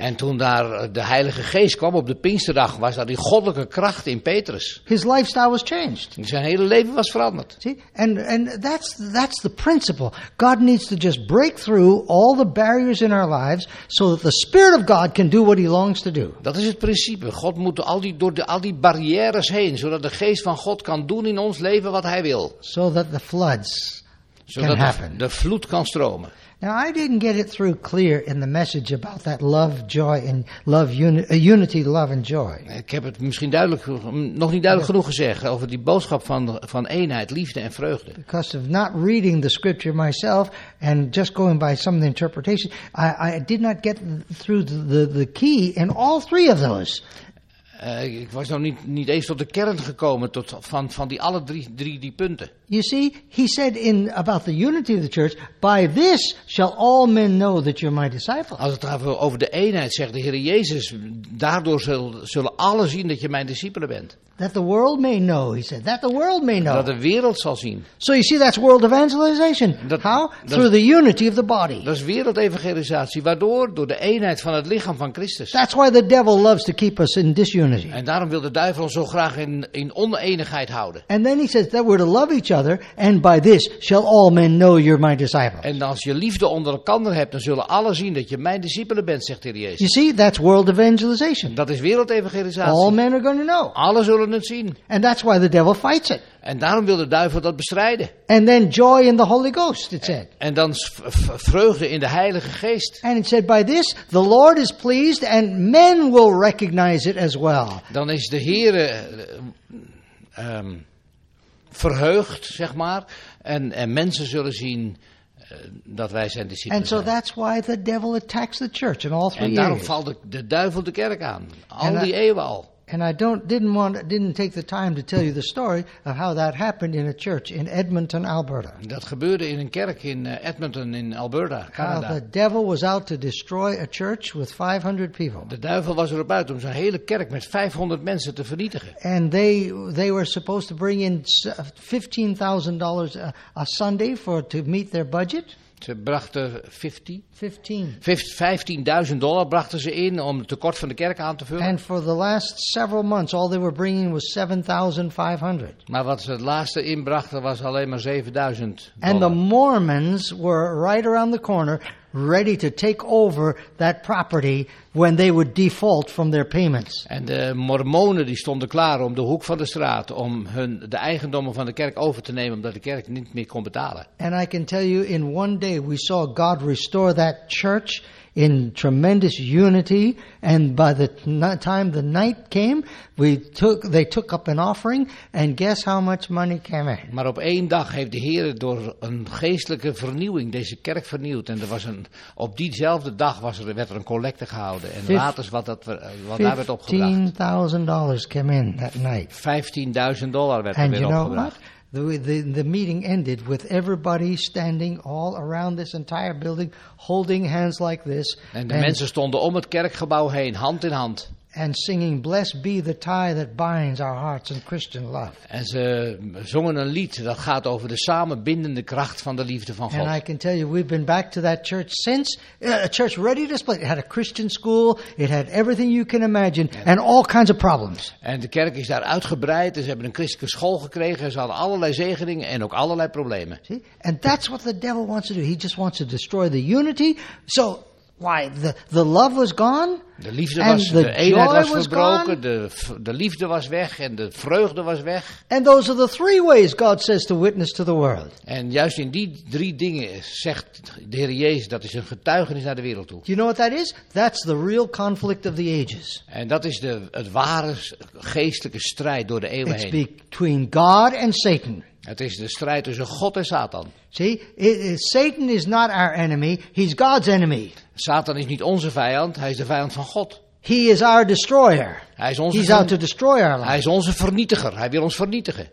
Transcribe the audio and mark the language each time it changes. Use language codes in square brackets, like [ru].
[nl] En toen daar de Heilige Geest kwam op de Pinksterdag, was daar die goddelijke kracht in Petrus. [en] His lifestyle was changed. [nl] Zijn hele leven was veranderd. [en] See? And that's the principle. God needs to just break through all the barriers in our lives so that the Spirit of God can do what he longs to do. [nl] Dat is het principe. God moet door al die barrières heen, zodat de Geest van God kan doen in ons leven wat hij wil. [en] So that the floods [nl] zodat [en] can happen. [nl] De vloed kan stromen. [en] Now I didn't get it through clear in the message about that love, joy and love, unity, love and joy. [nl] Ik heb het misschien nog niet duidelijk genoeg gezegd over die boodschap van eenheid, liefde en vreugde. [en] Because of not reading the scripture myself and just going by some of the interpretation, I did not get through the key in all three of those. [nl] Ik was nog niet eens tot de kern gekomen van alle drie die punten. [en] You see, he said in about the unity of the church, by this shall all men know that you're my disciple. [nl] Als het gaat over de eenheid, zegt de Heer Jezus, daardoor zullen alle zien dat je mijn discipelen bent. [en] That the world may know, he said. That the world may know. [nl] Dat de wereld zal zien. [en] So you see, that's world evangelization. How? Through the unity of the body. [nl] Dat is wereldevangelisatie. Waardoor? Door de eenheid van het lichaam van Christus. [en] That's why the devil loves to keep us in disunity. [nl] En daarom wil de duivel ons zo graag in oneenigheid houden. [en] And then he says that we're to love each other, and by this shall all men know you're my disciple. [nl] En als je liefde onder elkaar hebt, dan zullen alle zien dat je mijn discipelen bent, zegt de Heer Jezus. [en] You see, that's world evangelization. [nl] Dat is wereldevangelisatie. [en] All men are going to know. [nl] Alle zullen het zien. [en] And that's why the devil fights it. [nl] En daarom wil de duivel dat bestrijden. [en] And then joy in the Holy Ghost, it said. [nl] En dan vreugde in de Heilige Geest. [en] And it said, by this, the Lord is pleased and men will recognize it as well. [nl] Dan is de Heere verheugd, zeg maar. En mensen zullen zien dat wij zijn discipelen. [en] And so that's why the devil attacks the church in all three years. [nl] En daarom [en] areas. [nl] Valt de duivel de kerk aan. Die eeuwen al. [en] And I didn't take the time to tell you the story of how that happened in a church in Edmonton, Alberta. [nl] Dat gebeurde in een kerk in Edmonton in Alberta, Canada. [en] How the devil was out to destroy a church with 500 people. [nl] De duivel was erop uit om zijn hele kerk met 500 mensen te vernietigen. [en] And they were supposed to bring in $15,000 a Sunday to meet their budget. [nl] Ze brachten $15,000 brachten ze in om het tekort van de kerk aan te vullen. [en] And for the last several months, all they were bringing was $7,500. [nl] Maar wat ze het laatste inbrachten was alleen maar $7,000. [en] And the Mormons were right around the corner, ready to take over that property when they would default from their payments. [nl] En de Mormonen die stonden klaar om de hoek van de straat om de eigendommen van de kerk over te nemen omdat de kerk niet meer kon betalen. [en] And I can tell you, in one day we saw God restore that church in tremendous unity. And by the time the night came, they took up an offering, and guess how much money came in. [nl] Maar op één dag heeft de Heer door een geestelijke vernieuwing deze kerk vernieuwd, en op diezelfde dag werd er een collecte gehouden, en later is wat daar werd opgebracht. [en] $15,000 came in that night. [nl] $15,000 werd er weer opgebracht. [en] And you know what? The meeting ended with everybody standing all around this entire building, holding hands like this. [nl] En de mensen stonden om het kerkgebouw heen, hand in hand. [en] And singing, "Blessed be the tie that binds our hearts in Christian love." [nl] En ze zongen een lied dat gaat over de samenbindende kracht van de liefde van God. [en] And I can tell you, we've been back to that church since, a church ready to split. It had a Christian school, it had everything you can imagine, and all kinds of problems. [nl] En de kerk is daar uitgebreid, ze hebben een christelijke school gekregen, ze hadden allerlei zegeningen en ook allerlei problemen. [en] See? And that's what the devil wants to do. He just wants to destroy the unity. So, why? The love was gone. [nl] De liefde was, de eenheid was verbroken, de liefde was weg en de vreugde was weg. [en] And those are the three ways God says to witness to the world. [nl] En juist in die drie dingen zegt de Heer Jezus, dat is een getuigenis naar de wereld toe. [en] You know what that is? That's the real conflict of the ages. [nl] En dat is het ware geestelijke strijd door de eeuwen [en] It's [nl] heen. [en] Between God and Satan. [nl] Het is de strijd tussen God en Satan. [en] See, Satan is not our enemy, he's God's enemy. [nl] Satan is niet onze vijand, hij is de vijand van God. [en] He is our destroyer. [nl] Hij is onze [en] He's out to destroy our life. [nl] Hij is onze vernietiger. Hij wil ons vernietigen.